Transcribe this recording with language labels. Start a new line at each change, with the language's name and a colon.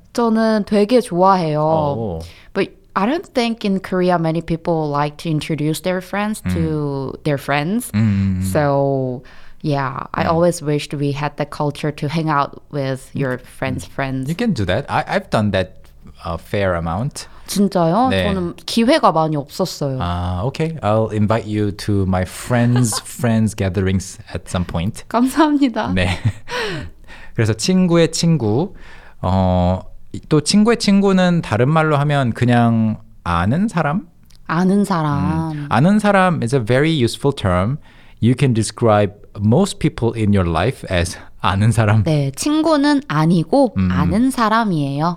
Korean: 저는 되게 좋아해요.
English: Oh. But I don't think in Korea many people like to introduce their friends to their friends. So, yeah, I always wished we had the culture to hang out with your friends' friends. You can do that. I've done that a fair amount.
Korean: 진짜요? 네. 저는 기회가 많이 없었어요.
English: Okay, I'll invite you to my friends' friends' gatherings at some point.
Korean: 감사합니다. 네. 그래서 친구의 친구, 어... 또 친구의 친구는 다른 말로 하면 그냥 아는 사람? 아는 사람. 아는 사람
English: is a very useful term. You can describe most people in your life as
Korean: 아는 사람. 네, 친구는 아니고 아는 사람이에요.